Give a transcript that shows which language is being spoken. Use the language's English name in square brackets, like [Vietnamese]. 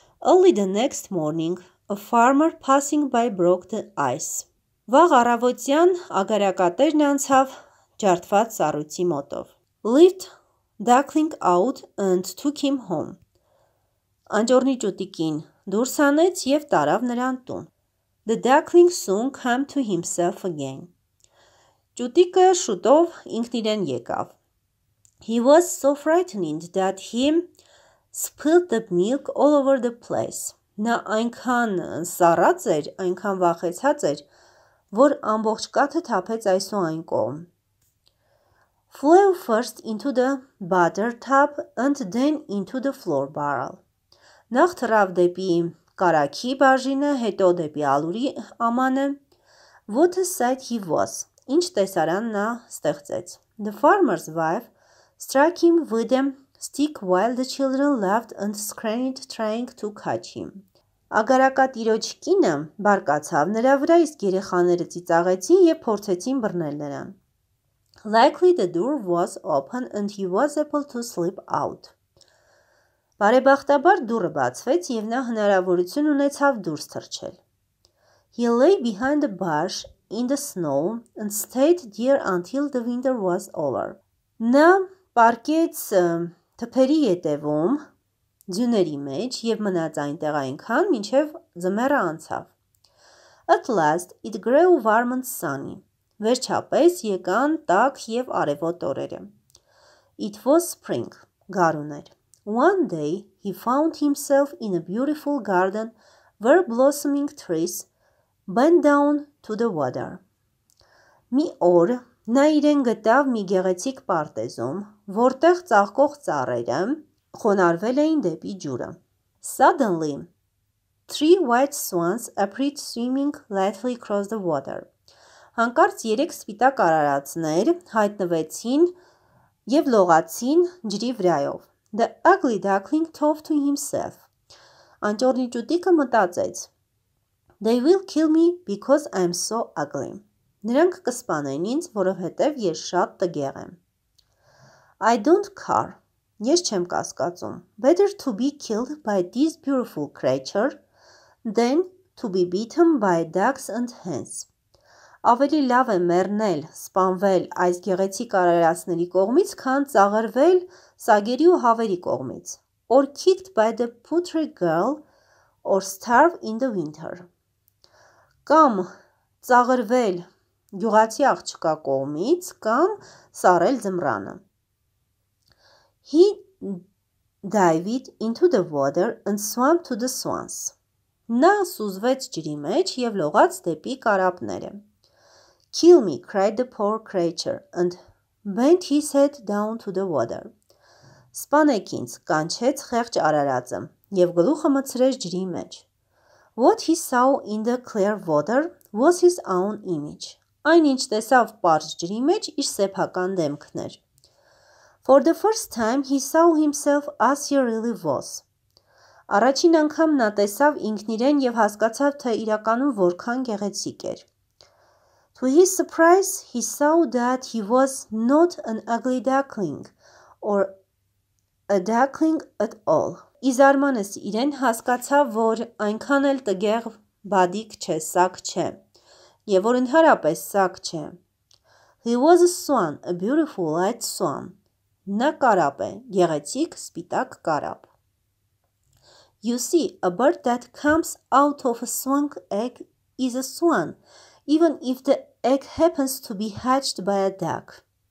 [English] Early the next morning, a farmer passing by broke the ice. [Armenian] Վաղ առավոտյան ագարակատերն անցավ ջարդված սառույցի մոտով. [English] Lift Duckling out and took him home. [Armenian] Անջորնի ճուտիկին դուրս հանեց և տարավ նրան տուն. [English] The duckling soon came to himself again. [Armenian] Ճուտիկը շուտով ինքն իրեն եկավ. [English] He was so frightened that he spilled the milk all over the place. [Armenian] Նա այնքան սառած էր, այնքան վախեցած էր, որ ամբողջ կաթը թափեց այս ու այն կողմ. [English] Flew first into the butter tub and then into the flour barrel. [Armenian] Նախ թռավ դեպի կարաքի բաժինը, հետո դեպի ալուրի ամանը. [English] What a sight he was. [Armenian] Ինչ տեսարան նա ստեղծեց. [English] The farmer's wife struck him with a stick while the children laughed and screamed trying to catch him. [Armenian] Ագարակատիրոջ կինը բարկացավ նրա վրա, իսկ երեխաները ծիծաղեցին և փորձեցին բռնել նրան. [English] Likely the door was open and he was able to slip out. [Armenian] Բարեբախտաբար դուրը բացվեց և նա հնարավորություն ունեցավ դուրս թռչել. [English] He lay behind the bush in the snow and stayed there until the winter was over. [Armenian] Նա պարկեց թփերի ետևում ձյուների մեջ և մնաց այնտեղ այնքան, մինչև ձմեռը անցավ. [English] At last it grew warm and sunny. [Armenian] Վերջապես եկան տաք և արևոտ օրերը. [English] It was spring, [Armenian] գարուն էր. [English] One day he found himself in a beautiful garden where blossoming trees bent down to the water. [Armenian] Մի օր նա իրեն գտավ մի գեղեցիկ պարտեզում, որտեղ ծաղկող ծառերը խոնարվել էին դեպի ջուրը. [English] Suddenly, three white swans appeared swimming lightly across the water. [Armenian] Հանկարծ երեք սպիտակ արարածներ հայտնվեցին և լողացին ջրի վրայով. [English] The ugly duckling thought to himself. [Armenian] Անճոռնի ճուտիկը մտածեց. [English] They will kill me because I'm so ugly. [Armenian] Նրանք կսպանեն ինձ, որովհետև ես շատ տգեղ եմ. [English] I don't care. [Armenian] Ես չեմ կասկածում. [English] Better to be killed by this beautiful creature than to be beaten by ducks and hens. [Armenian] Ավելի լավ է մեռնել, սպանվել այս գեղեցիկ արարածների կողմից, քան ծաղրվել սագերի ու հավերի կողմից. [English] Or kicked by the putrid girl or starve in the winter. [Armenian] Կամ ծաղրվել գյուղացի աղջկա կողմից կամ սառել ձմռանը. [English] He dived into the water and swam to the swans. [Armenian] Նա սուզվեց ջրի մեջ և լողաց դեպի կարապները. [English] Kill me, cried the poor creature, and bent his head down to the water. [Armenian] Սպանեք ինձ, կանչեց խեղճ արարածը, և գլուխը մցրեց ջրի մեջ. [English] What he saw in the clear water was his own image. [Armenian] Այն ինչ տեսավ պարզ ջրի մեջ իր սեփական դեմքն էր. [English] For the first time he saw himself as he really was. [Armenian] Առաջին անգամ նա տեսավ ինքն իրեն և հասկացավ, թե իրականում որքան գեղեցիկ էր. [English] To his surprise, he saw that he was not an ugly duckling or a duckling at all. [Armenian] Ի զարմանս իրեն հասկացավ, որ այնքան էլ տգեղ բադիկ չէ, սակ չէ, և որ ընդհանրապես սակ չէ. [English] He was a swan, a beautiful white swan. [Armenian] Նա կարապ է, գեղեցիկ սպիտակ կարապ. [English] You see, a bird that comes out of a swan's egg is a swan, even if the egg happens to be hatched by a duck.